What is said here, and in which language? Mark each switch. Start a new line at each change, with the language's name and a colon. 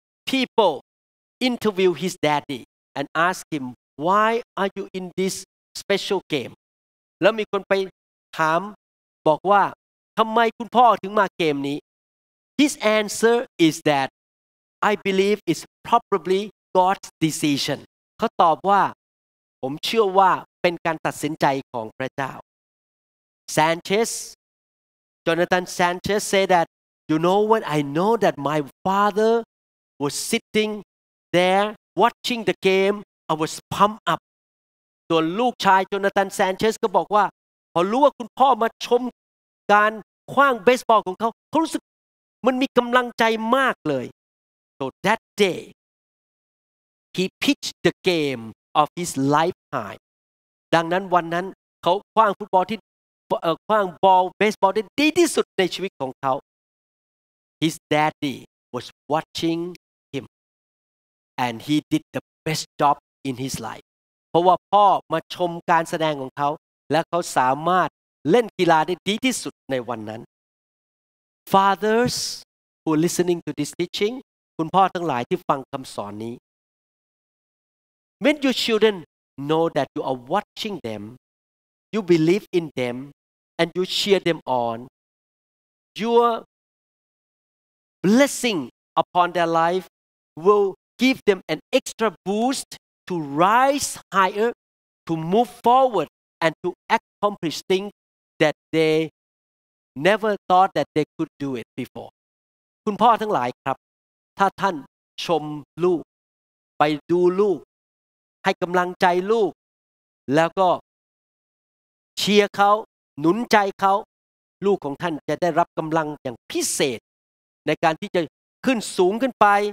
English: people interview his daddy and ask him why are you in this special game
Thai: แล้วมีคนไปถามบอกว่าทำไมคุณพ่อถึงมาเกมนี้
English: His answer is that I believe it's probably God's decision
Thai: เขาตอบว่าผมเชื่อว่าเป็นการตัดสินใจของพระเจ้า
English: Sanchez, Jonathan Sanchez said that, you know what, I know that my father was sitting there watching the game, I was pumped up.
Thai: ตัวลูกชาย Jonathan Sanchez ก็บอกว่าพอรู้ว่าคุณพ่อมาชมการคว้างเบสบอลของเขาเขารู้สึกมันมีกำลังใจมากเลย
English: So that day, he pitched the game of his life high.
Thai: ดังนั้นวันนั้นเขาคว้างฟุตบอลที่คว้างบอลเบสบอลได้ดีที่สุดในชีวิตของเขา
English: His daddy was watching him and he did the best job in his life
Thai: เพราะว่าพ่อมาชมการแสดงของเขาและเขาสามารถเล่นกีฬาได้ดีที่สุดในวันนั้น
English: Fathers who are listening to this teaching
Thai: คุณพ่อทั้งหลายที่ฟังคำสอนนี้
English: When your childrenKnow that you are watching them, you believe in them, and you cheer them on. Your blessing upon their life will give them an extra boost to rise higher, to move forward, and to accomplish things that they never thought that they could do it before.
Thai: คุณพ่อทั้งหลายครับถ้าท่านชมลูกไปดูลูกให้กำลังใจลูกแล้วก็เชียร์เขาหนุนใจเขาลูกของท่านจะได้รับกำลังอย่างพิเศษในการที่จะขึ้นสูงขึ้นไป